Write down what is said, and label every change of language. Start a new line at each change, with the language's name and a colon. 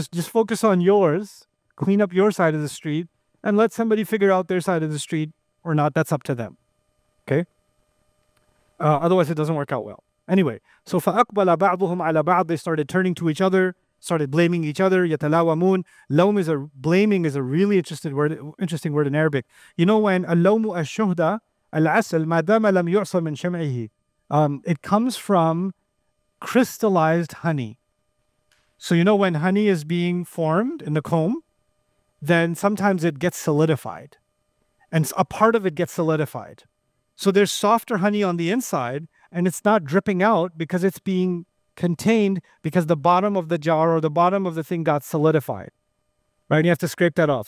English: Just focus on yours, clean up your side of the street, and let somebody figure out their side of the street or not. That's up to them. Okay? Otherwise, it doesn't work out well. Anyway, so
Arabic: فَأَقْبَلَ بَعْضُهُمْ عَلَى بَعْضٍ.
English: They started turning to each other, started blaming each other.
Arabic: يَتَلَاوَمُونَ.
English: لَوْم is a, blaming is a really interesting word in Arabic. You know when
Arabic: اللَوْمُ الشُّهْدَ الْعَسَلْ مَا دَمَ لَمْ يُعْصَ مِنْ شَمْعِهِ.
English: It comes from crystallized honey. So you know when honey is being formed in the comb, then sometimes it gets solidified. And a part of it gets solidified. So there's softer honey on the inside, and it's not dripping out because it's being contained because the bottom of the jar or the bottom of the thing got solidified, right? And you have to scrape that off.